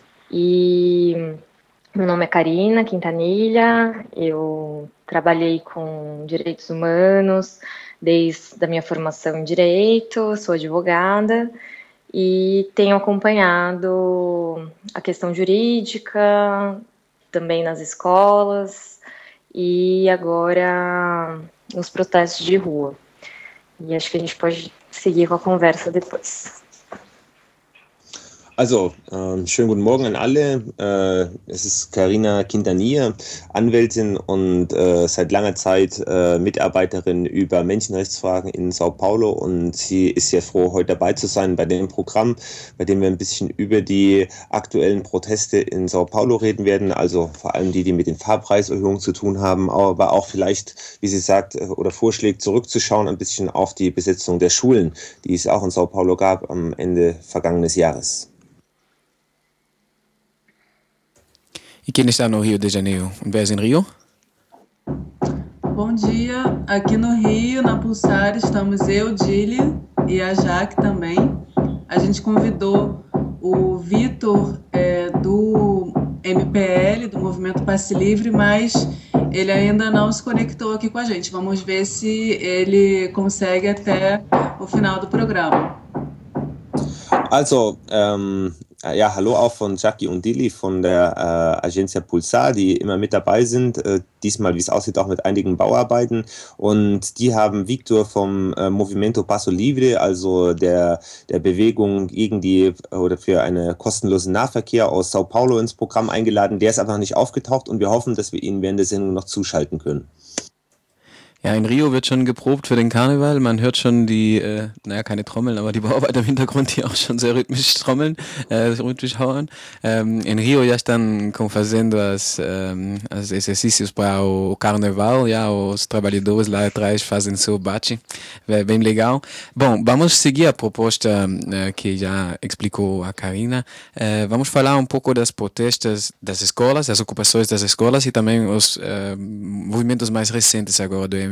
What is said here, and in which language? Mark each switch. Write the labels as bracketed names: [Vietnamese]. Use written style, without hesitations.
[Portuguese] E meu nome é Karina Quintanilha, eu trabalhei com direitos humanos desde a minha formação em direito, sou advogada e tenho acompanhado a questão jurídica, também nas escolas e agora... nos protestos de rua. E acho que a gente pode seguir com a conversa depois. [German] Also, schönen guten Morgen an alle. Es ist Karina Quintanilla, Anwältin und seit langer Zeit Mitarbeiterin über Menschenrechtsfragen in São Paulo. Und sie ist sehr froh, heute dabei zu sein bei dem Programm, bei dem wir ein bisschen über die aktuellen Proteste in São Paulo reden werden. Also vor allem die, die mit den Fahrpreiserhöhungen zu tun haben, aber auch vielleicht, wie sie sagt oder vorschlägt, zurückzuschauen ein bisschen auf die Besetzung der Schulen, die es auch in São Paulo gab am Ende vergangenes Jahres. [Portuguese] E quem está no Rio de Janeiro? Um beijo em Rio. Bom dia. Aqui no Rio, na Pulsar, estamos eu, Dili e a Jaque também. A gente convidou o Vitor do MPL, do Movimento Passe Livre, mas ele ainda não se conectou aqui com a gente. Vamos ver se ele consegue até o final do programa. [German] Also, ja, hallo auch von Jackie und Dili von der Agencia Pulsar, die immer mit dabei sind. Diesmal, wie es aussieht, auch mit einigen Bauarbeiten. Und die haben Victor vom Movimento Passo Livre, also der Bewegung gegen die oder für einen kostenlosen Nahverkehr aus Sao Paulo ins Programm eingeladen. Der ist einfach nicht aufgetaucht und wir hoffen, dass wir ihn während der Sendung noch zuschalten können. Ja, in Rio wird schon geprobt für den Karneval. Man hört schon die, keine Trommeln, aber die Bauarbeiter im Hintergrund, die auch schon sehr rhythmisch trommeln, rhythmisch hauen. [Portuguese] In Rio [Spanish] ya están [Portuguese] fazendo as exercícios para o Carnaval, [Spanish] ya [Portuguese] os trabalhadores lá atrás fazem seu bate. Bem legal. Bom, vamos seguir a proposta que já explicou a Karina. Vamos falar um pouco das protestas das escolas, das ocupações das escolas e também os movimentos mais recentes agora do